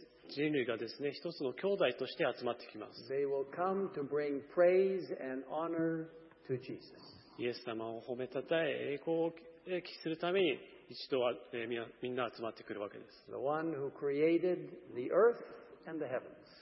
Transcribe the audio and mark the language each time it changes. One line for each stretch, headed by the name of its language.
Japanese: 人類がですね、一つの兄弟として集まってきます。
English: They will come to bring praise and honor to Jesus.
Japanese: イエス様を褒めたたえ、栄光を期するために一度はみんな集まってくるわけです。
English: The one who created the earth and the heavens.